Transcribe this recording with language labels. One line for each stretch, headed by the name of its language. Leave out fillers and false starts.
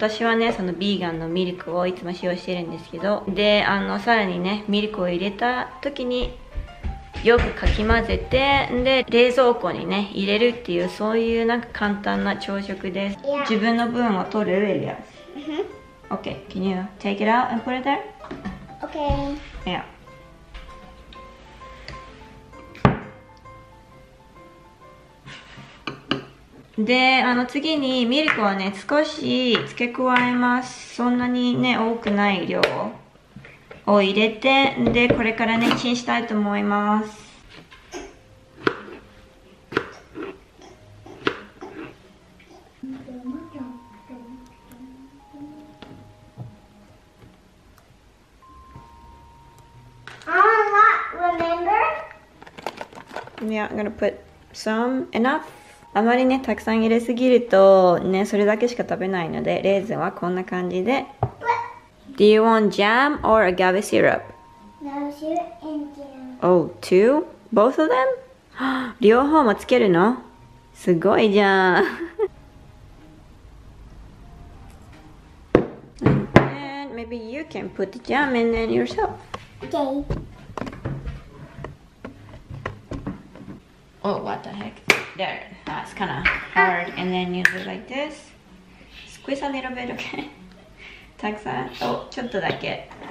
Japanese: 私はね、そのビーガンのミルクをいつも使用してるんですけど、で、さらにね、ミルクを入れた時によくかき混ぜて、で、冷蔵庫にね、入れるっていう、そういうなんか簡単な朝食です。自分の分を取る、エリア。
English: OK、can you take it out and put it there? OK、
Japanese: で、次にミルクはね、少し付け加えます。そんなにね、多くない量を入れて、で、これからね、チンしたいと思います。
English: I'm not remember? Yeah, I'm gonna put some, enough.
Japanese: あまりね、たくさん入れすぎるとね、それだけしか食べないので、レーズンはこんな感じで。
English: Do you want jam or agave syrup? Agave syrup and jam. Oh, two? Both of them?
Japanese: 両方もつけるの？すごいじゃん。
English: And then maybe you can put the jam in there yourself. Okay. Oh, what the heck? There. That's kind of hard. And then you do it like this. Squeeze a little bit, okay?
Japanese: たくさん、お、ちょっとだけ。